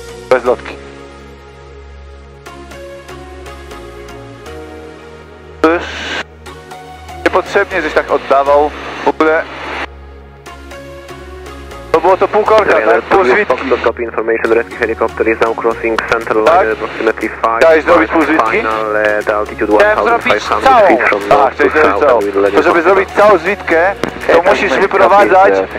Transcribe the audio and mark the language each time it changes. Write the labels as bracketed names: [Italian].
[Polish] Bez lotki. Niepotrzebnie, żeś tak oddawał, w ogóle. To było to pół korka, tak? Pół zwitki. [English] Fox Top Information, rescue helicopter is now crossing central line at approximately 5. [Polish] Chciałeś zrobić pół zwitki? Chciałem zrobić całą. To żeby zrobić całą zwitkę, to musisz wyprowadzać.